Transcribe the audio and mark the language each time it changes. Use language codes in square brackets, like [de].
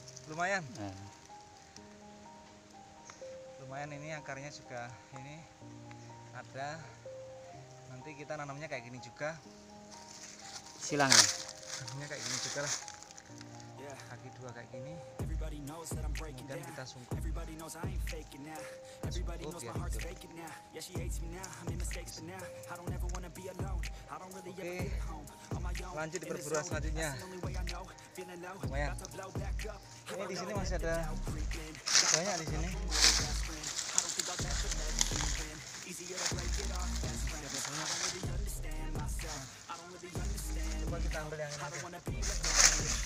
[id] Lumayan. Lumayan ini akarnya juga ini ada. Nanti kita nanamnya kayak gini juga. Silang. Nanamnya kayak gini juga lah. Kaki dua kayak gini. Kemudian kita sungkup. [en] Everybody knows I ain't faking now. Everybody knows my heart's faking now. Yeah, she hates me now. I made mistakes but now I don't ever wanna be alone. I don't really ever get home. [id] Lanjut di perburuan selanjutnya. Lumayan. Ini di sini masih ada banyak di sini. Coba kita ambil yang ini.